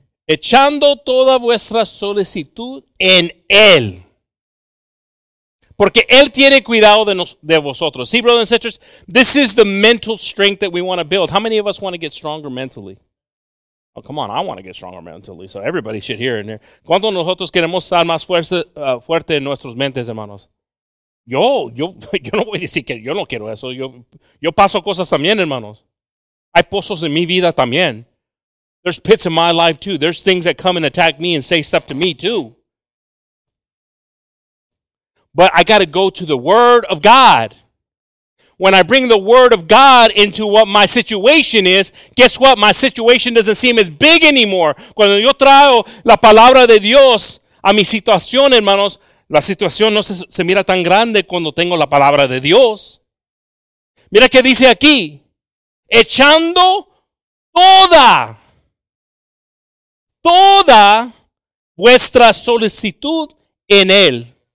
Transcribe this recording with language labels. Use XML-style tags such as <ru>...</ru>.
<es>Echando toda vuestra solicitud en él. Porque él tiene cuidado de vosotros.</es> <en>See, brothers and sisters, this is the mental strength that we want to build. How many of us want to get stronger mentally? Oh, come on, I want to get stronger mentally, so everybody should hear in there.</en> <es>¿Cuántos nosotros queremos estar más fuerte en nuestras mentes, hermanos? Yo no voy a decir que yo no quiero eso. Yo paso cosas también, hermanos. Hay pozos en mi vida también.</es> <en>There's pits in my life too. There's things that come and attack me and say stuff to me too. But I got to go to the Word of God. When I bring the Word of God into what my situation is, guess what? My situation doesn't seem as big anymore.</en> <es>Cuando yo traigo la palabra de Dios a mi situación, hermanos, la situación no se mira tan grande cuando tengo la palabra de Dios. Mira qué dice aquí. Echando toda vuestra solicitud en él.</es>